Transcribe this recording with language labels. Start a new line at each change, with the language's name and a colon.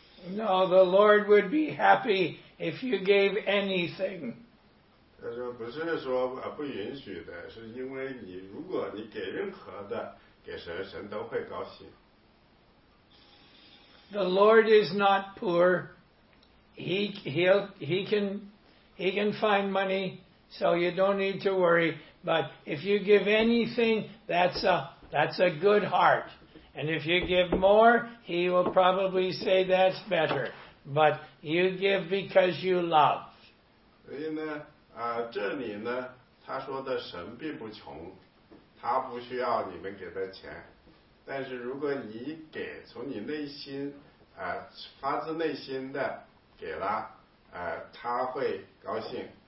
English: No, the Lord would be happy if you gave anything.
Chinese: 他说不是说不允许的，是因为你如果你给任何的。给神，神都会高兴。
English: The Lord is not poor. He can find money, so you don't need to worry. But if you give anything, that's a good heart. And if you give more, he will probably say that's better. But you give because you love.
Chinese: 所以呢，这里呢，他说的神并不穷。他不需要你们给的钱，但是如果你给，从你内心，发自内心的给了，他会高兴。